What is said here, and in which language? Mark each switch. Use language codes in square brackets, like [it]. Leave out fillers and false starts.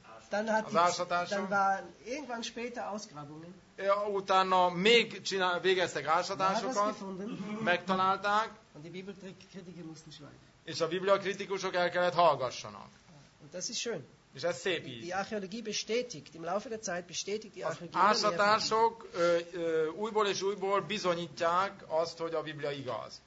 [de] Dann hat dann war irgendwann später Ausgrabungen. [hu] Ja, utána még végeztek ásatásokat, megtalálták, [de] und die Bibelkritiker mussten schweigen. [hu] És a bibliakritikusok el kellett hallgassanak. [de] Und das ist schön. [hu] És ez szép így. [de] Die Archäologie bestätigt, im Laufe der Zeit bestätigt die Archäologie. [hu] Az ásatások újból és újból bizonyítják azt, hogy a Biblia igaz.